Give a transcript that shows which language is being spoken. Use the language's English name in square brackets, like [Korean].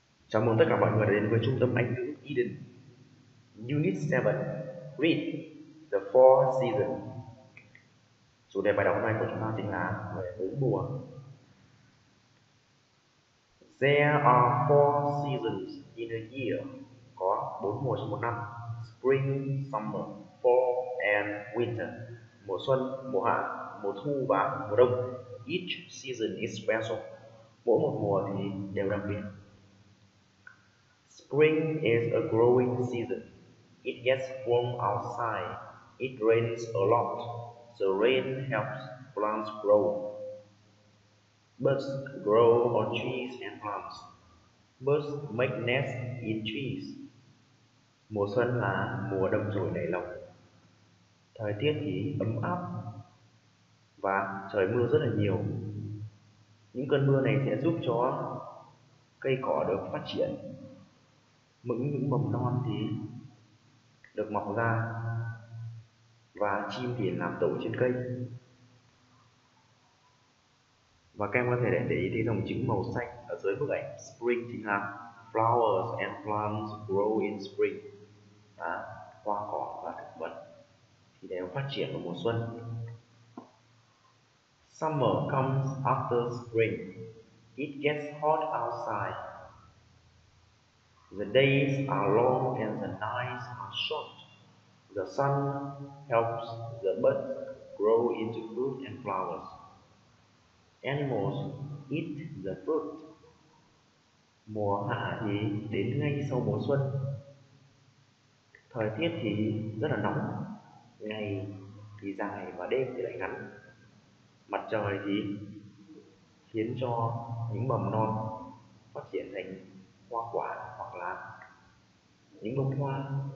[Vietnamese] Chào mừng tất cả mọi người đã đến với trung tâm Anh ngữ Eden. Unit 7. [English] Read the Four Seasons. [Vietnamese] Chủ đề bài đọc hôm nay của chúng ta chính là về bốn mùa. [English] There are four seasons in a year. [Vietnamese] Có bốn mùa trong một năm. [English] Spring, summer, fall and winter. [Vietnamese] Mùa xuân, mùa hạ, mùa thu và mùa đông. [English] Each season is special. [Vietnamese] Mỗi một mùa thì đều đặc biệt. [English] Spring is a growing season. It gets warm outside. It rains a lot. The rain helps plants grow. Birds grow on trees and plants. Birds make nests in trees. [Vietnamese] Mùa xuân là mùa đâm chồi nảy lộc. Thời tiết thì ấm áp và trời mưa rất là nhiều. Những cơn mưa này sẽ giúp cho cây cỏ được phát triển. Những mầm non thì được mọc ra và chim thì làm tổ trên cây. Và các em có thể để ý thấy dòng chữ màu xanh ở dưới bức ảnh. Spring chính là [English] flowers and plants grow in spring. [Vietnamese] À, hoa cỏ và thực vật thì đều phát triển vào mùa xuân. [English] Summer comes after spring. It gets hot outside. The days are long and the nights are short. The sun helps the birds grow into fruit and flowers. Animals eat the fruit. [Vietnamese] Mùa hạ thì đến ngay sau mùa xuân. Thời tiết thì rất là nóng, ngày thì dài và đêm thì lại ngắn. Mặt trời thì khiến cho những mầm non phát triển thành hoa quả hoặc là những bông hoa.